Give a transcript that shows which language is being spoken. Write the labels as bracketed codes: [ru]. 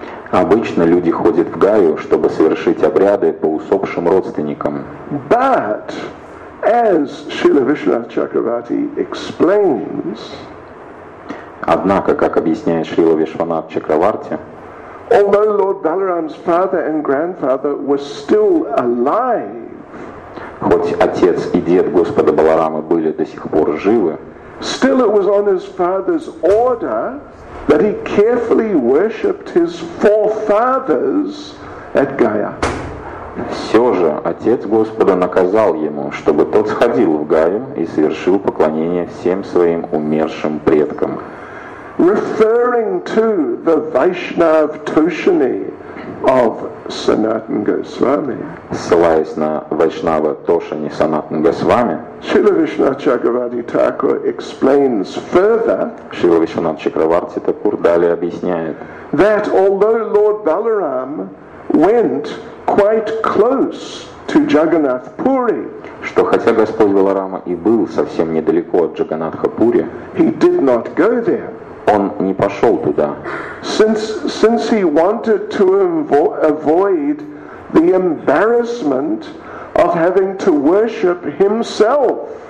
[ru] Обычно люди ходят в Гаю, чтобы совершить обряды по усопшим родственникам. [en] But as Srila Vishwanath Chakravarti explains, [ru] однако, как объясняет Шрила Вишванат Чакраварти, [en] although Lord Balaram's father and grandfather were still alive, [ru] хоть отец и дед Господа Баларамы были до сих пор живы, [en] still it was on his father's order that he carefully worshipped his forefathers at Gaya. [ru] Все же отец Господа наказал ему, чтобы тот сходил в Гаю и совершил поклонение всем своим умершим предкам. [en] Referring to the Vaishnav Toshini of Sanatan Goswami. [ru] Ссылаясь на Вайшнава Тошани Санатан Госвами, [en] Шрила Вишванат Чакраварти Тхакур explains further. [ru] Шрила Вишванат Чакраварти Тхакур далее объясняет, [en] that although Lord Balaram went quite close to Jagannath Puri, [ru] что хотя Господь Баларама и был совсем недалеко от Джаганнатха Пури, [en] he did not go there. [ru] Он не пошел туда. [en] Since he wanted to avoid the embarrassment of having to worship himself.